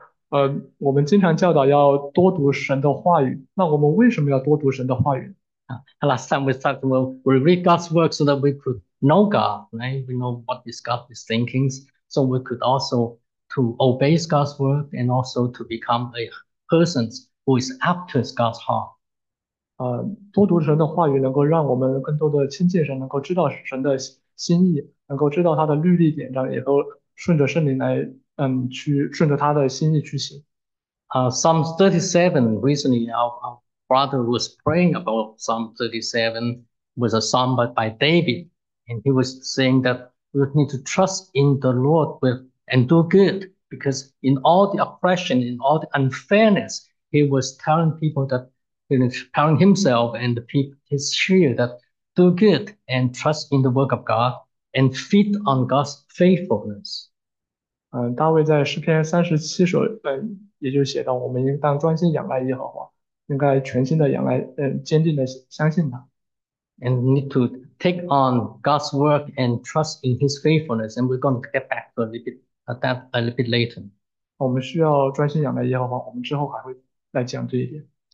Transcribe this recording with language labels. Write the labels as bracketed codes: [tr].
[zh] OK，我们经常教导要多读神的话语，那我们为什么要多读神的话语？ [en] Last time we said we read God's work so that we could know God, right? We know what is God is thinking, so we could also to obey God's word and also to become a person who is after God's heart. [zh] 多读神的话语能够让我们更多的亲近神，能够知道神的心意，能够知道他的律例典章，也都顺着圣灵来，去顺着他的心意去行。 [en] Psalm 37 recently, Brother was praying about Psalm 37 with a psalm by David, and he was saying that we need to trust in the Lord with and do good, because in all the oppression, in all the unfairness, he was telling people that, telling himself and the people his sheep that do good and trust in the work of God and feed on God's faithfulness. [zh] 大卫在诗篇37首，也就写到，我们应当专心仰赖耶和华，应该全心的仰赖，坚定的相信他。 [en] And we need to take on God's work and trust in His faithfulness. And we're going to get back to a little bit that a little bit later. [zh] 我们需要专心仰赖耶和华，我们之后还会来讲这一点。